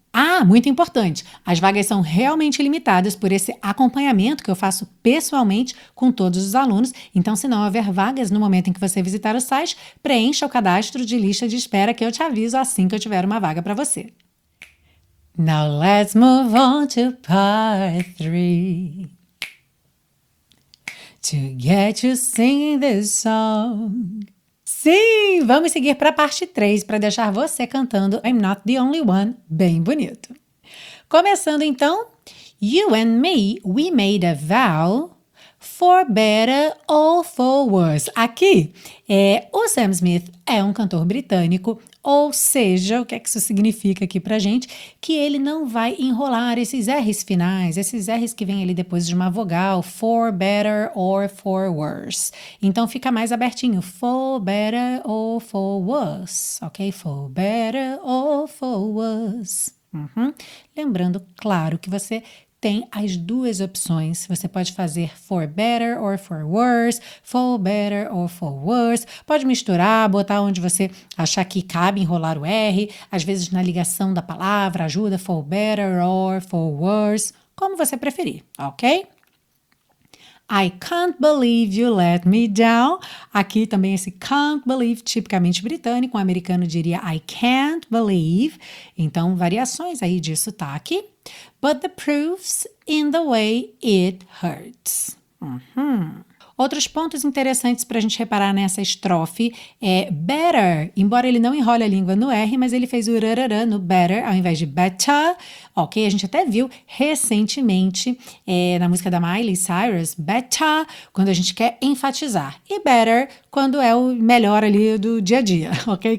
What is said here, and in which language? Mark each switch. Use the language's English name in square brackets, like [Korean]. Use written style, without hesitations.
[Portuguese] Ah, muito importante, as vagas são realmente limitadas por esse acompanhamento que eu faço pessoalmente com todos os alunos, então se não houver vagas no momento em que você visitar o site, preencha o cadastro de lista de espera que eu te aviso assim que eu tiver uma vaga para você. [English] Now let's move on to part 3. To get you singing this song. [Portuguese] Sim, vamos seguir para a parte 3 para deixar você cantando I'm Not the Only One bem bonito. Começando então. [English] You and me, we made a vow for better or for worse. [Portuguese] Aqui, o Sam Smith é um cantor britânico, Ou seja, o que é que isso significa aqui para a gente? Que ele não vai enrolar esses R's finais, esses R's que vêm ali depois de uma vogal, [English] for better or for worse. [Portuguese] Então, fica mais abertinho, [English] for better or for worse, [Portuguese] ok? [English] For better or for worse. Uhum. [Portuguese] Lembrando, claro, que você tem as duas opções. Você pode fazer [English] for better or for worse, [Portuguese] for better or for worse. Pode misturar, botar onde você achar que cabe enrolar o R. Às vezes na ligação da palavra ajuda, [English] for better or for worse. [Portuguese] Como você preferir, ok? [English] I can't believe you let me down. [Portuguese] Aqui também esse can't believe, tipicamente britânico. Um americano diria [English] I can't believe. [Portuguese] Então, variações aí de sotaque. [English] But the proof's in the way it hurts. Uhum. [Portuguese] Outros pontos interessantes para a gente reparar nessa estrofe é better, embora ele não enrole a língua no R, mas ele fez o rararã no better ao invés de better, ok? A gente até viu recentemente na música da Miley Cyrus, better, quando a gente quer enfatizar, e better, quando é o melhor ali do dia a dia, ok?